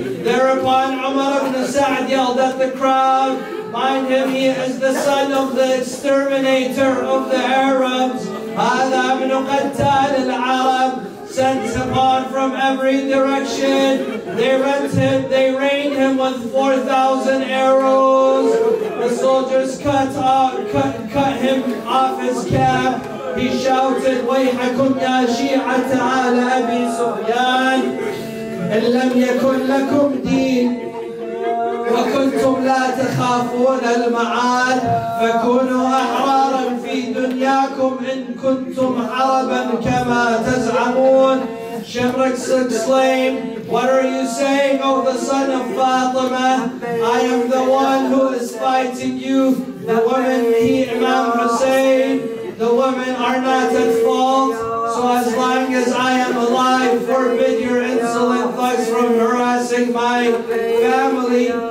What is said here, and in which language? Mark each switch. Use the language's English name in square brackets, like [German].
[English] Thereupon Umar ibn Sa'd yelled at the crowd, mind him, he is the son of the exterminator of the Arabs. [Arabic] هذا ابن قتال العرب, [English] sent upon from every direction. They rent him, they rained him with 4,000 arrows. The soldiers cut him off his cap. He shouted, [Arabic] ويحكم يا شيعة على أبي سفيان إن لم يكن لكم دين وكنتم لا تخافون المعاد فكونوا أحرارا في دنياكم إن كنتم عربا كما تزعمون. [English] Shamrak exclaimed, what are you saying, O the son of Fatima? I am the one who is fighting you. The women, he, Imam Hussein, the women are not at fault. So as long as I am alive, forbid your insolent thoughts from harassing my family.